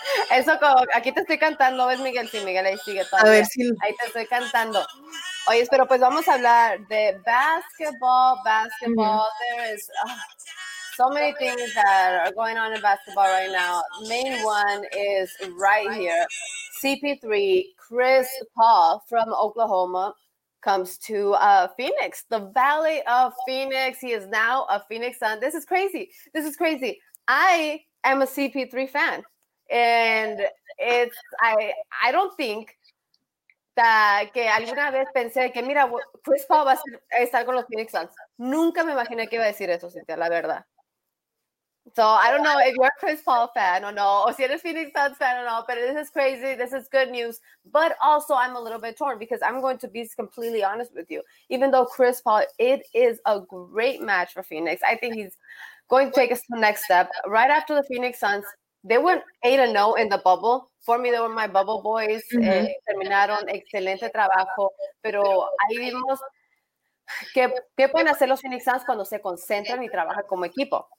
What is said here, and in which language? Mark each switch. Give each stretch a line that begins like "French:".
Spanish: Eso como aquí te estoy cantando, ¿ves, Miguel? Sí, Miguel, ahí sigue A ver todavía. si. Ahí te estoy cantando. Oye, pero pues vamos a hablar de basketball, basketball.
English: There is so many things that are going on in basketball right now. Main one is right here. CP3, Chris Paul from Oklahoma, comes to Phoenix, the Valley of Phoenix. He is now a Phoenix Sun. This is crazy. This is crazy. I am a CP3 fan, and I don't think that
Spanish: que alguna vez pensé que mira, Chris Paul va a estar con los Phoenix Suns. Nunca me imaginé que iba a decir eso, Cintia, la verdad.
English: So I don't know if you're a Chris Paul fan or no, or
Spanish: si eres
English: Phoenix Suns fan or no, but this is crazy. This is good news. But also I'm a little bit torn because I'm going to be completely honest with you. Even though Chris Paul, it is a great match for Phoenix. I think he's going to take us to the next step. Right after the Phoenix Suns, they went 8-0 in the bubble. For me, they were my bubble boys.
Spanish: Terminaron excelente trabajo, pero ahí vimos ¿Qué pueden hacer los Phoenix Suns cuando se concentran y trabajan como equipo?